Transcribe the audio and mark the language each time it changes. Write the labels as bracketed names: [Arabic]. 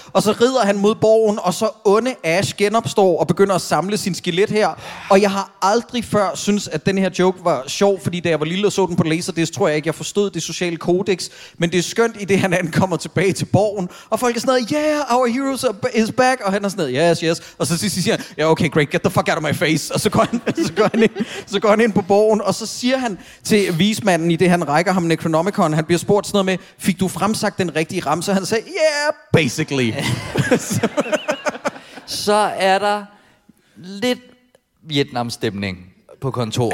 [Danish] Og så rider han mod borgen, og så onde Ash genopstår og begynder at samle sin skelet her. Og jeg har aldrig før synes, at den her joke var sjov, fordi da jeg var lille og så den på Laserdisc, tror jeg ikke, jeg forstod det sociale kodex. Men det er skønt, i det han ankommer tilbage til borgen. Og folk er sådan noget, [English] yeah, our heroes is back. [Danish] Og han er sådan noget, yes, yes. Og så siger han, [English] yeah, okay, great, get the fuck out of my face. [Danish] Og så går han ind på borgen, og så siger han til vismanden i det, han rækker ham Necronomicon. Han bliver spurgt sådan noget med, fik du fremsagt den rigtige ramse? Han sagde, [English] yeah, basically. [Danish] Så er der lidt Vietnam-stemning på kontoret.